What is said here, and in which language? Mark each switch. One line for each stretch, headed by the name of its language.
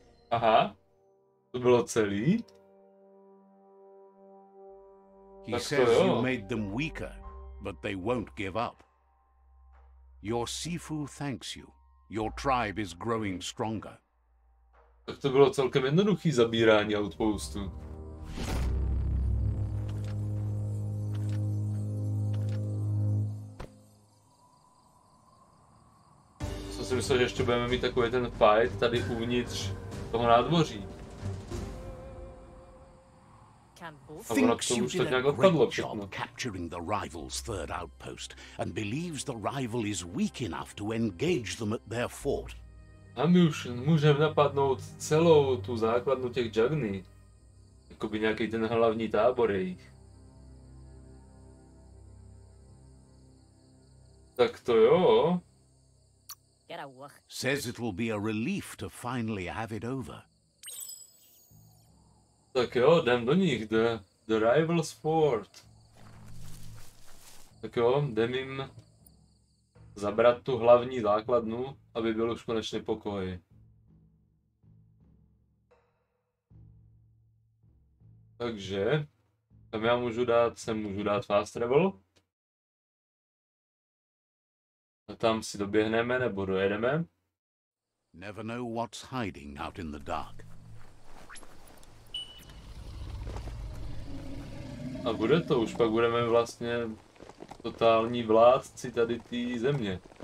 Czech: Aha. To bylo celý?
English: He says you made them weaker, but they won't give up. Your Sifu thanks you. Your tribe is growing stronger.
Czech: Tak to bylo celkem jednoduchý zabírání outpostu. Co si myslel, že ještě budeme mít takový ten fight tady uvnitř toho nádvoří?
English: Thinks you did a great job capturing the rival's third outpost and believes the rival is weak enough to engage them at their fort.
Czech: A my už můžeme napadnout celou tu základnu těch Jagny. Jakoby nějaký ten hlavní tábor jejich. Tak to jo.
English: Says it will be a relief to finally have it over.
Czech: Tak jo, jdem do nich,
English: the rival's fort.
Czech: Tak jo, jdem jim zabrat tu hlavní základnu, aby byl už konečně pokoj. Takže, tam já můžu dát, sem můžu dát fast travel. A tam si doběhneme nebo dojedeme.
English: Never know what's hiding out in the dark.
Czech: A bude to, už pak budeme vlastně totální vládci tady té země.